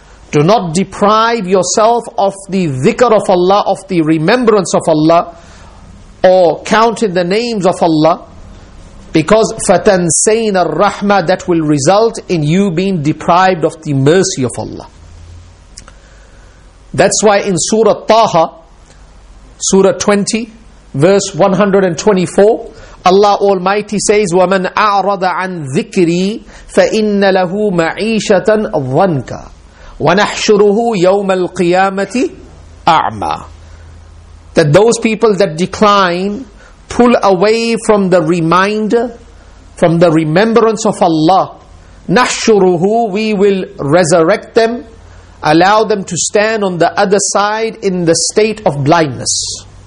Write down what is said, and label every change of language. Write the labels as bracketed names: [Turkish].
[English] Do not deprive yourself of the dhikr of Allah, of the remembrance of Allah, or counting the names of Allah, because [Arabic] فَتَنْسَيْنَا الرَّحْمَةِ, [English] that will result in you being deprived of the mercy of Allah. That's why in Surah Taha, Surah 20, verse 124, Allah Almighty says, [Arabic] وَمَنْ أَعْرَضَ عَنْ ذِكْرِي فَإِنَّ لَهُ مَعِيشَةً ضَنْكًا وَنَحْشُرُهُ يَوْمَ الْقِيَامَةِ أَعْمَى. [English] That those people that decline, pull away from the reminder, from the remembrance of Allah, نَحْشُرُهُ, we will resurrect them, allow them to stand on the other side in the state of blindness.